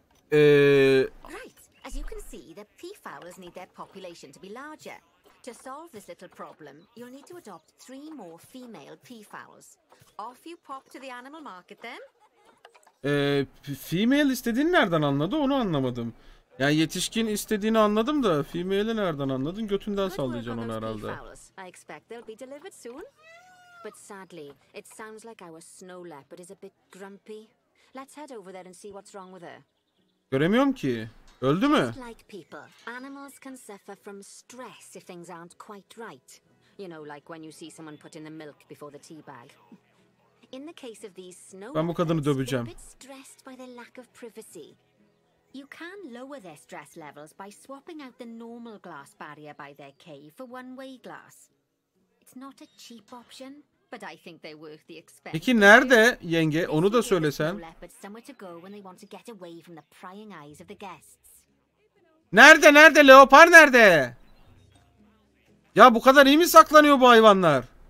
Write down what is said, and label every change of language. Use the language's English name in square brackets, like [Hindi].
[English] Right. As you can see, the peafowls need their population to be larger. To solve this little problem, you'll need to adopt three more female peafowls. Off you pop to the animal market then. [Turkish] Female istediğini nereden anladı? Onu anlamadım. Yani yetişkin istediğini anladım da female'i nereden anladın? Götünden sallayacaksın onu herhalde. [English] I expect they'll be delivered soon. But sadly, it sounds like our snow leopard is a bit grumpy. Let's head over there and see what's wrong with her. [Turkish] Göremiyorum ki. Öldü mü? [English] Just like people, animals can suffer from stress if things aren't quite right. You know, like when you see someone put in the milk before the tea bag. In the case of these snow leopards, they're a bit stressed by their lack of privacy. You can lower their stress levels by swapping out the normal glass barrier by their cave for one-way glass. It's not a cheap option, but I think they're worth the expense. [Turkish] Peki nerede yenge? Onu da söylesen. [English] Somewhere to go when they want to get away from the prying eyes of the guests. [Turkish] Nerede? Nerede? Leopar nerede? Ya bu kadar iyi mi saklanıyor bu hayvanlar?